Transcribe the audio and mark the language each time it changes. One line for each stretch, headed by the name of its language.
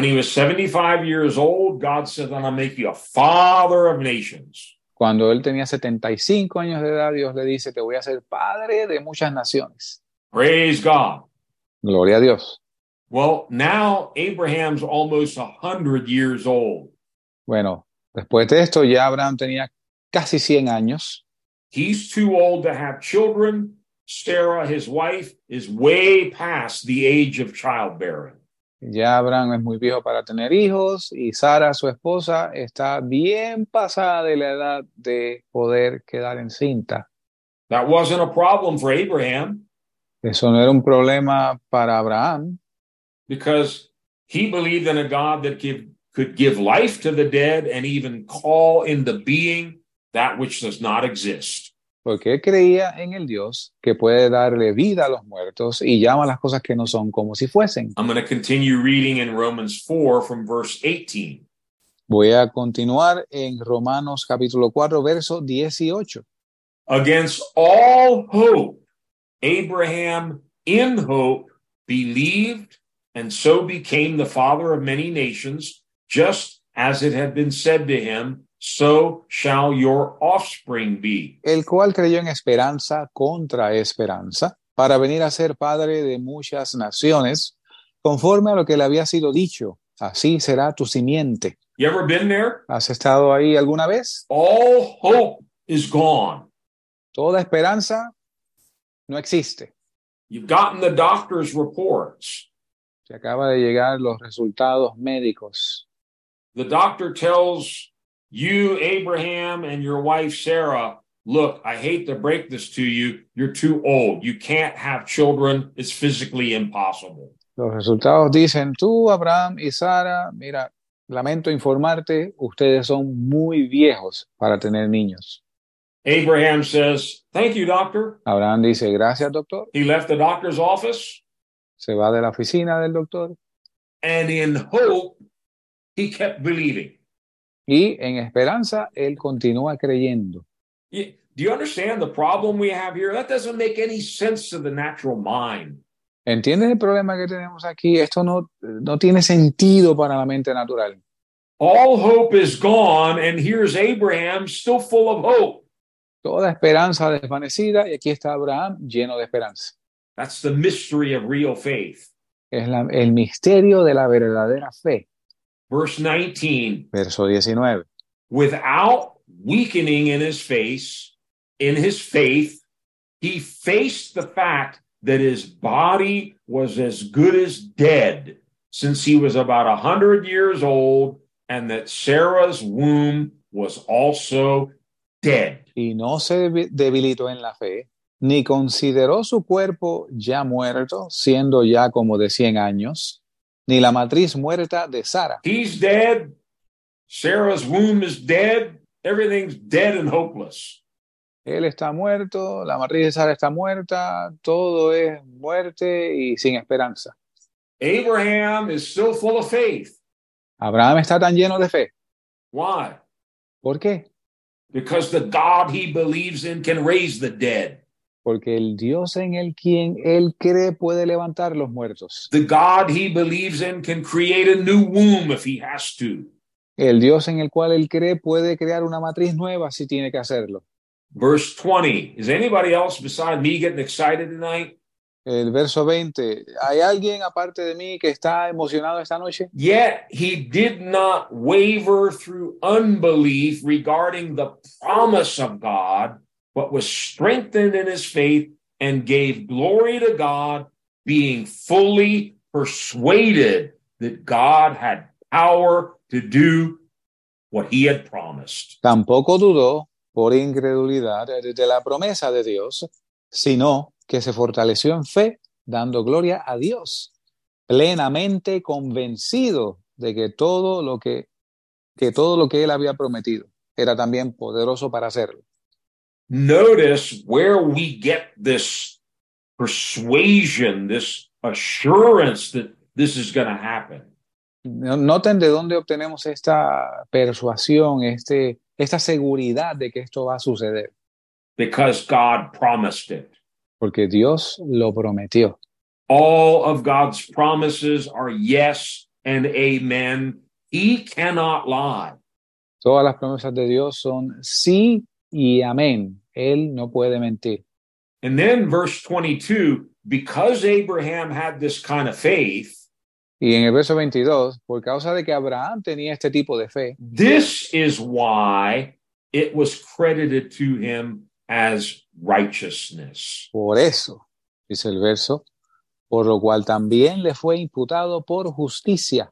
English: when he was 75 years old, God said, I'm going to make you a father of nations.
Spanish: cuando él tenía 75 años de edad, Dios le dice, te voy a hacer padre de muchas naciones.
English: Praise God.
Spanish: Gloria a Dios.
English: Well, now Abraham's almost 100 years old.
Spanish: Bueno, después de esto ya Abraham tenía casi 100 años.
English: He's too old to have children. Sarah, his wife, is way past the age of childbearing.
Spanish: Ya Abraham es muy viejo para tener hijos y Sara, su esposa, está bien pasada de la edad de poder quedar encinta.
English: That wasn't a problem for Abraham.
Spanish: Eso no era un problema para Abraham.
English: Because he believed in a God that could give life to the dead and even call into being that which does not exist.
Spanish: Porque él creía en el Dios que puede darle vida a los muertos y llama a las cosas que no son como si fuesen.
English: I'm going to continue reading in Romans 4 from verse 18.
Spanish: Voy a continuar en Romanos capítulo 4, verso 18.
English: Against all hope, Abraham in hope believed. And so became the father of many nations, just as it had been said to him, so shall your offspring be.
Spanish: El cual creyó en esperanza contra esperanza, para venir a ser padre de muchas naciones, conforme a lo que le había sido dicho, así será tu simiente.
English: You ever been there?
Spanish: ¿Has estado ahí alguna vez?
English: All hope is gone.
Spanish: Toda esperanza no existe.
English: You've gotten the doctor's reports.
Spanish: Se acaba de llegar los resultados médicos.
English: The doctor tells you, Abraham, and your wife, Sarah, look, I hate to break this to you. You're too old. You can't have children. It's physically impossible.
Spanish: Los resultados dicen, tú, Abraham y Sara, mira, lamento informarte, ustedes son muy viejos para tener niños.
English: Abraham says, thank you, doctor.
Spanish: Abraham dice, gracias, doctor.
English: He left the doctor's office.
Spanish: Se va de la oficina del doctor.
English: And in hope, he kept believing.
Spanish: Y en esperanza, él continúa creyendo.
English: Do you understand the problem we have here? That doesn't make any sense to the natural mind.
Spanish: ¿Entiendes el problema que tenemos aquí? Esto no tiene sentido para la mente natural.
English: All hope is gone, and here's Abraham still full of hope.
Spanish: Toda esperanza desvanecida y aquí está Abraham lleno de esperanza.
English: That's the mystery of real faith.
Spanish: Es el misterio de la verdadera fe.
English: Verse 19,
Spanish: Verso 19.
English: without weakening in his face, in his faith, he faced the fact that his body was as good as dead since he was about 100 years old and that Sarah's womb was also dead.
Spanish: Y no se debilitó en la fe, ni consideró su cuerpo ya muerto, siendo ya como de 100 años, ni la matriz muerta de Sara.
English: He's dead. Sarah's womb is dead. Everything's dead and hopeless.
Spanish: Él está muerto, la matriz de Sara está muerta, todo es muerte y sin esperanza.
English: Abraham is still full of faith.
Spanish: Abraham está tan lleno de fe.
English: Why?
Spanish: ¿Por qué?
English: Because the God he believes in can raise the dead.
Spanish: Porque el Dios en el quien él cree puede levantar los muertos.
English: The God he believes in can create a new womb if he has to.
Spanish: El Dios en el cual él cree puede crear una matriz nueva si tiene que hacerlo.
English: Verse 20. Is anybody else beside me getting excited tonight?
Spanish: El verso 20. ¿Hay alguien aparte de mí que está emocionado esta noche?
English: Yet he did not waver through unbelief regarding the promise of God, but was strengthened in his faith and gave glory to God, being fully persuaded that God had power to do what he had promised.
Spanish: Tampoco dudó por incredulidad de la promesa de Dios, sino que se fortaleció en fe, dando gloria a Dios, plenamente convencido de que todo lo que él había prometido era también poderoso para hacerlo.
English: Notice where we get this persuasion, this assurance that this is going to happen.
Spanish: Noten de dónde obtenemos esta persuasión, esta seguridad de que esto va a suceder.
English: Because God promised it.
Spanish: Porque Dios lo prometió.
English: All of God's promises are yes and amen. He cannot lie.
Spanish: Todas las promesas de Dios son sí y amén. Él no puede mentir.
English: And then verse 22, because Abraham had this kind of faith,
Spanish: y en el verso 22, por causa de que Abraham tenía este tipo de fe,
English: this is why it was credited to him as righteousness.
Spanish: Por eso, dice el verso, por lo cual también le fue imputado por justicia.